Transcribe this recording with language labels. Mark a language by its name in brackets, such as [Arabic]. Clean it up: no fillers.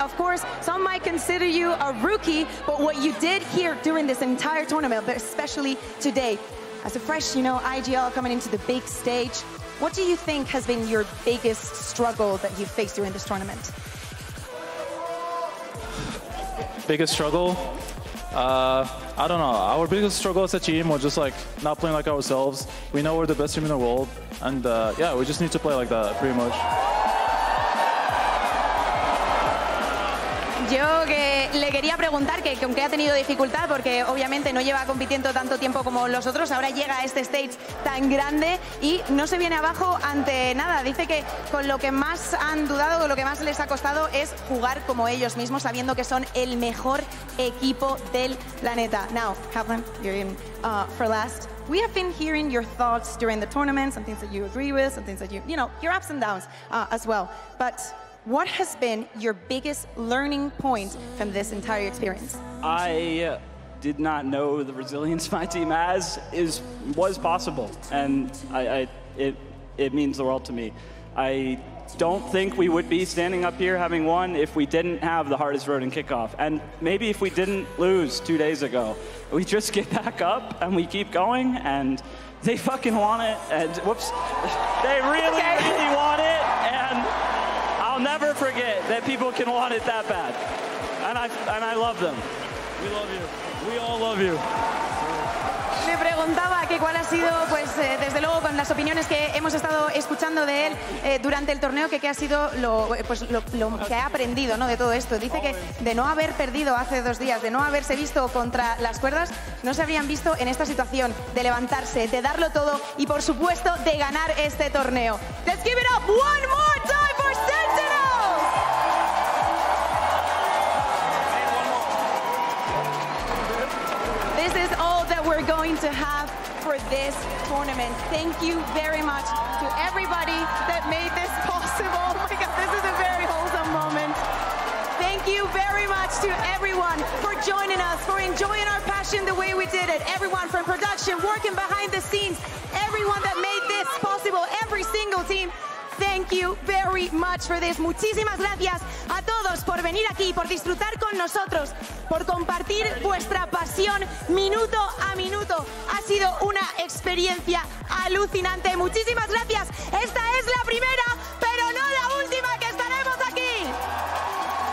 [English] Of course, some might consider you a rookie, but what you did here during this entire tournament, but especially today, as a fresh, you know, IGL coming into the big stage, what do you think has been your biggest struggle that you've faced during this tournament? Biggest struggle? I don't know. Our biggest struggle as a team was just like not playing like ourselves. We know we're the best team in the world, and we just need to play like that, pretty much. [Spanish] Yo que le quería preguntar que aunque ha tenido dificultad porque obviamente no lleva compitiendo tanto tiempo como los otros, ahora llega a este stage tan grande y no se viene abajo ante nada. Dice que con lo que más han dudado, con lo que más les ha costado es jugar como ellos mismos, sabiendo que son el mejor equipo del planeta. [English] Now, Kaplan, you're in for last. We have been hearing your thoughts during the tournament, some things that you agree with, some things that you, you know, your ups and downs as well. But what has been your biggest learning point from this entire experience? I did not know the resilience my team has was possible, and it means the world to me. I don't think we would be standing up here having won if we didn't have the hardest road in kickoff, and maybe if we didn't lose 2 days ago. We just get back up and we keep going, and they fucking want it, and whoops, they really, okay, really want it, and I'll never forget that people can want it that bad. And I love them. We love you. We all love you. [Spanish] Me preguntaba que cuál ha sido, pues desde luego con las opiniones que hemos estado escuchando de él durante el torneo, que qué ha sido lo que ha aprendido, ¿no?, de todo esto. Dice que de no haber perdido hace dos días, de no haberse visto contra las cuerdas, no se habrían visto en esta situación de levantarse, de darlo todo y por supuesto de ganar este torneo. [English] Let's give it up one more time for Sentinels! We're going to have for this tournament. Thank you very much to everybody that made this possible. Oh my God, this is a very wholesome moment. Thank you very much to everyone for joining us, for enjoying our passion the way we did it. Everyone from production, working behind the scenes, everyone that made this possible, every single team. Thank you very much for this. [Spanish] Muchísimas gracias a todos por venir aquí, por disfrutar con nosotros, por compartir vuestra pasión minuto a minuto. Ha sido una experiencia alucinante. Muchísimas gracias. Esta es la primera, pero no la última, que estaremos aquí.